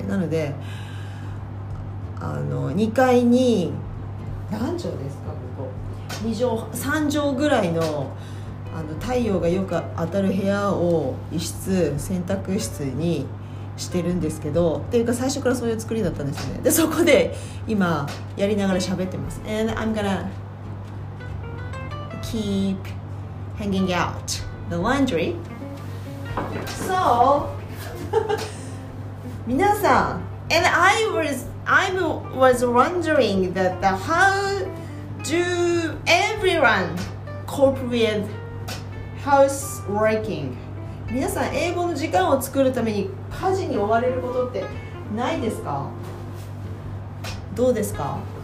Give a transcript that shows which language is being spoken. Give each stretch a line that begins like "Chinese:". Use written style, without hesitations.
Japanese: なのであの2階に何畳ですか、ここ2畳3畳ぐらい の, あの太陽がよく当たる部屋を一室洗濯室にしてるんですけど、っていうか最初からそういう作りだったんですね。でそこで今やりながら喋ってます。
English: And I'm gonna keep hanging out the laundry So,
Japanese: 皆さん、
English: and I was wondering that the, how do everyone cope with houseworking?
Japanese: 皆さん、英語の時間を作るために家事に追われることってないですか？どうですか？